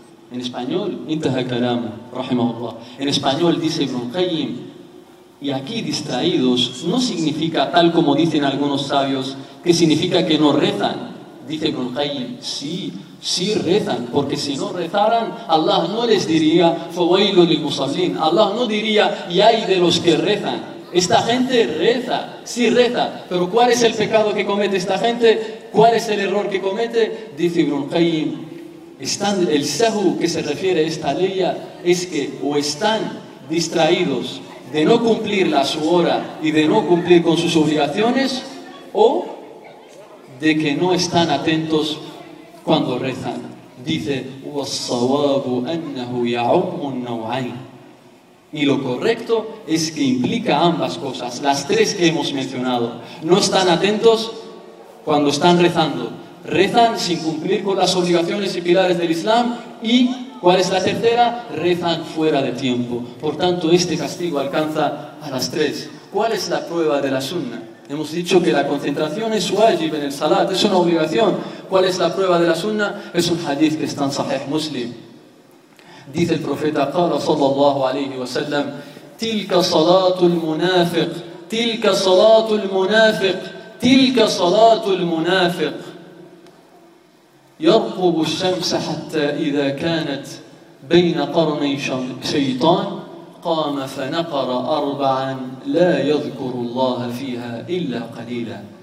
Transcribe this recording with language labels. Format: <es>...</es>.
<es>En español,</es> <ar>انتهى كلامه, رحمه الله.</ar> <es>En español dice Ibn Qayyim, y aquí distraídos no significa tal como dicen algunos sabios, que significa que no rezan. Dice Ibn Qayyim, sí, sí rezan, porque si no rezaran, Allah no les diría</es> <ar>فَوَيْلُ لِلْمُصَلِّينَ,</ar> <es>Allah no diría y hay de los que rezan. Esta gente reza, sí reza, pero ¿cuál es el pecado que comete esta gente? ¿Cuál es el error que comete? Dice Ibn Qayyim, el sahu que se refiere a esta ley es que o están distraídos de no cumplir la su hora y de no cumplir con sus obligaciones, o de que no están atentos cuando rezan. Dice,</es> <ar>وَالصَّوَابُ أَنَّهُ يَعُمُّ النَّوْعَيْنِ.</ar> <es>Y lo correcto es que implica ambas cosas, las tres que hemos mencionado. No están atentos cuando están rezando. Rezan sin cumplir con las obligaciones y pilares del Islam. Y, ¿cuál es la tercera? Rezan fuera de tiempo. Por tanto, este castigo alcanza a las tres. ¿Cuál es la prueba de la sunna? Hemos dicho que la concentración es wajib en el salat, es una obligación. ¿Cuál es la prueba de la sunna? Es un hadith que está en Sahih Muslim. Dice el profeta,</es> <ar>قال صلى الله عليه وسلم, تلك صلاة المنافق, تلك صلاة المنافق, تلك صلاة المنافق, يرقب الشمس حتى إذا كانت بين قرني شيطان قام فنقر أربعا لا يذكر الله فيها إلا قليلا.</ar>